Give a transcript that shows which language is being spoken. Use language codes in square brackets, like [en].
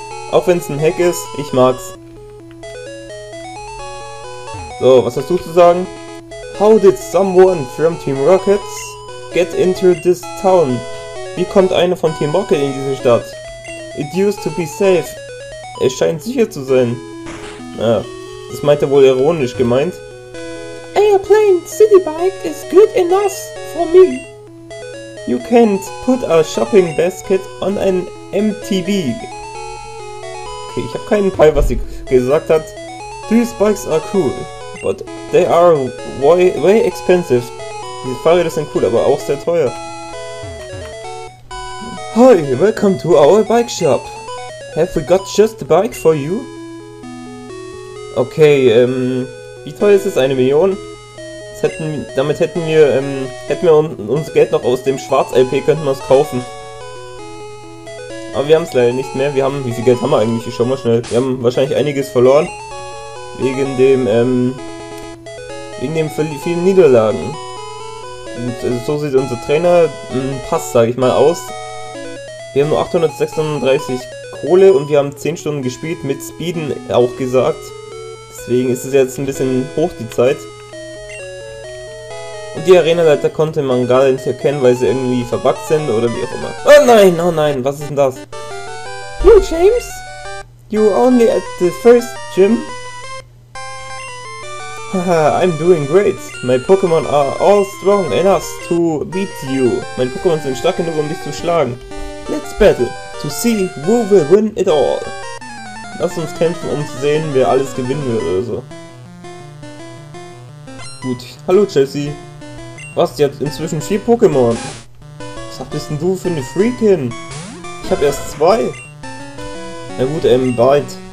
[de] Auch wenn es ein Hack ist, ich mag's. So, was hast du zu sagen? [en] How did someone from Team Rocket get into this town? [de] Wie kommt einer von Team Rocket in diese Stadt? [en] It used to be safe. [de] Es scheint sicher zu sein. Ja, das meint er wohl ironisch gemeint. [en] Airplane City Bike is good enough for me. You can't put a shopping basket on an MTB. [de] Okay, ich habe keinen Peil, was sie gesagt hat. [en] These bikes are cool, but they are way expensive. [de] Diese Fahrräder sind cool, aber auch sehr teuer. [en] Hi, welcome to our bike shop. Have we got just the bike for you? [de] Okay, wie teuer ist es? 1 Million? Damit hätten wir uns Geld noch aus dem Schwarz-LP, könnten wir es kaufen. Aber wir haben es leider nicht mehr. Wie viel Geld haben wir eigentlich? Ich schau mal schnell. Wir haben wahrscheinlich einiges verloren. Wegen dem vielen Niederlagen. Und so sieht unser Trainer Pass, sag ich mal, aus. Wir haben nur 836 Kohle und wir haben 10 Stunden gespielt, mit Speeden auch gesagt. Deswegen ist es jetzt ein bisschen hoch, die Zeit. Und die Arena-Leiter konnte man gar nicht erkennen, weil sie irgendwie verbuggt sind oder wie auch immer. Oh nein, was ist denn das? [en] You, James? You only at the first gym? Haha, I'm doing great. My Pokémon are all strong enough to beat you. [de] Meine Pokémon sind stark genug, um dich zu schlagen. [en] Let's battle to see who will win it all. [de] Lass uns kämpfen, um zu sehen, wer alles gewinnen wird oder so. Gut, hallo Jesse. Was, die hat inzwischen 4 Pokémon? Was bist denn du für eine Freakin? Ich habe erst 2. Na gut, bald.